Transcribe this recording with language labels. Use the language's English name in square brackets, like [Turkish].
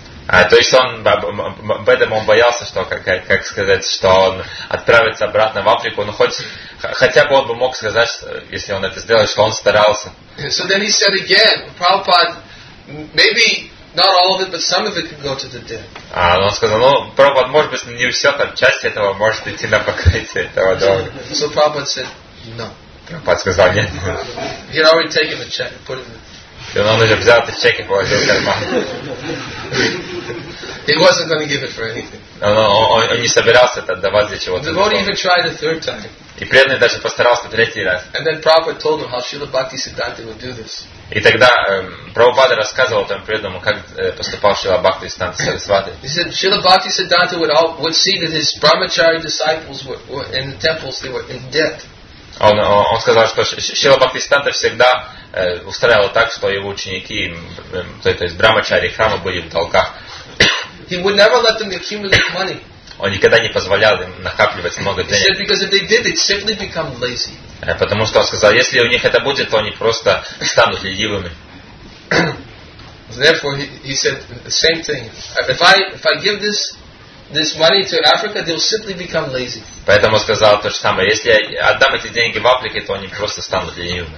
[Russian] То есть он об этом он боялся, что как сказать, что он отправится обратно в Африку, но хотя бы он бы мог сказать, если он это сделал, что он старался. [English] So then he said again, Prabhupada, maybe not all of it, but some of it could go to the debt. [Russian] Он сказал, Прабхупада, может быть, не все, там часть этого может идти на покрытие этого долга. [English] So Prabhupada said, no. [Russian] Прабхупада сказал, нет. [English] He had already taken the check and put it in. [Russian] И он уже взял этот чек и положил в карман. [English] He wasn't going to give it for anything. [Russian] Он не собирался это отдавать для чего-то. [English] The devotee even tried a third time. [Russian] И преданный даже постарался третий раз. [English] And then Prabhupada told him how Srila Bhakti Siddhanta would do this. [Russian] И тогда Прабхупада рассказывал этому преданному, как поступал Шрила Бхакти Сиддханта Сарасвати. [English] He said Srila Bhakti Siddhanta would see that his brahmachari disciples were in the temples, they were in debt. [Russian] Он сказал, что Шрила Бхакти Сиддханта всегда устраивал так, что его ученики, то есть брахмачари храма, были в долгах. [English] He would never let them accumulate money. [Russian] Он никогда не позволял им накапливать много денег. [English] He said because if they did, they'd simply become lazy. [Russian] Потому что он сказал, если у них это будет, то они просто станут ленивыми. [English] Therefore, he said the same thing. If I give this money to Africa, they'll simply become lazy. [Russian] Поэтому он сказал то же самое. Если я отдам эти деньги в Африке, то они просто станут ленивыми.